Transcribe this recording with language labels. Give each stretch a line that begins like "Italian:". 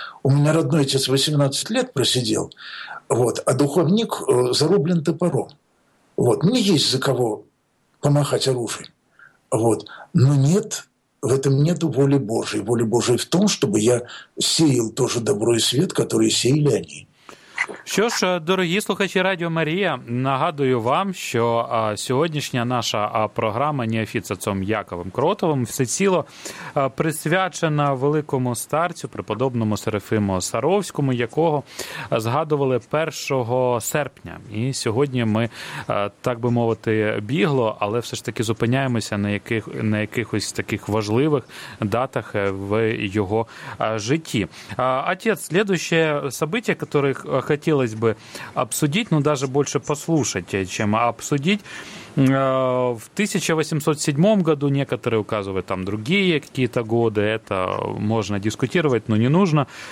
Russian: У меня родной отец 18 лет просидел, вот, а духовник зарублен топором. Вот, мне есть за кого помахать оружием. Вот, но нет, в этом нет воли Божией. Воля Божия в том, чтобы я сеял тоже добро и свет, которые сеяли они.
Ukrainian: Що ж, дорогі слухачі Радіо Марія, нагадую вам, що сьогоднішня наша програма Неофіцієм Яковом Кротовим всеціло присвячена великому старцю, преподобному Серафиму Саровському, якого згадували 1 серпня. І сьогодні ми, так би мовити, бігло, але все ж таки зупиняємося на якихось таких важливих датах в його житті.
Russian: Отець, следующее событие, которых хотелось бы обсудить, но даже больше послушать, чем обсудить. В 1807 году некоторые указывают там другие какие-то годы, это можно дискутировать, но не нужно.